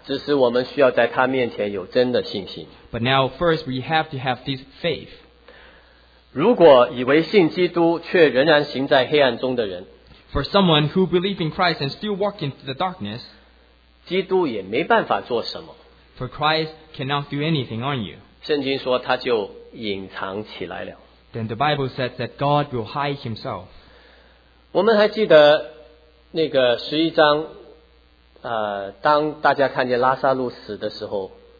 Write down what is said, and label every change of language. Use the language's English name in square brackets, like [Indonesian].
[Chinese] 只是我们需要在他面前有真的信心。 [English] But now first we have to have this faith. [Chinese] 如果以为信基督却仍然行在黑暗中的人 [English] For someone who believes in Christ and still walks into the darkness, [Chinese] 基督也没办法做什么。 [English] For Christ cannot do anything on you. [Chinese] 圣经说他就隐藏起来了。 [English] Then the Bible says that God will hide himself. [Chinese] 我们还记得那个十一章当大家看见拉撒路死的时候